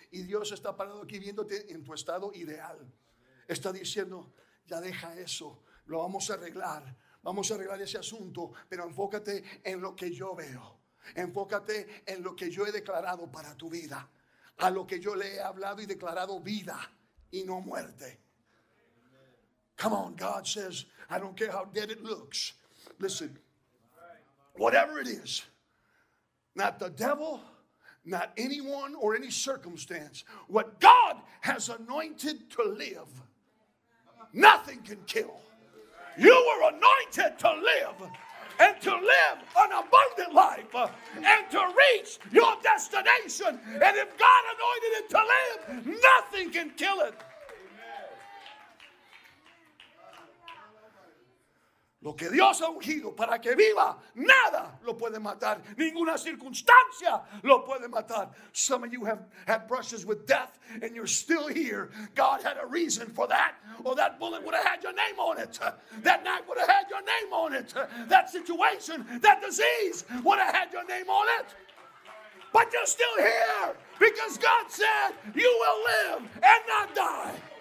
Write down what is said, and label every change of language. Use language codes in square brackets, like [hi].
[es] Y Dios está parado aquí viéndote en tu estado ideal. Está diciendo, ya deja eso, lo vamos a arreglar. Vamos a arreglar ese asunto, pero enfócate en lo que yo veo. Enfócate en lo que yo he declarado para tu vida. A lo que yo le he hablado y declarado vida y no muerte. [en] Come on, God says, I don't care how dead it looks. Listen, whatever it is, not the devil, not anyone or any circumstance, what God has anointed to live, nothing can kill. You were anointed to live and to live an abundant life and to reach your destination. And if God anointed it to live, nothing can kill it. [es] Lo que Dios ha ungido para que viva, nada lo puede matar. Ninguna circunstancia lo puede matar. [en] Some of you have had brushes with death and you're still here. God had a reason for that. Or that bullet would have had your name on it. That knife would have had your name on it. That situation, that disease would have had your name on it. But you're still here because God said you will live and not die.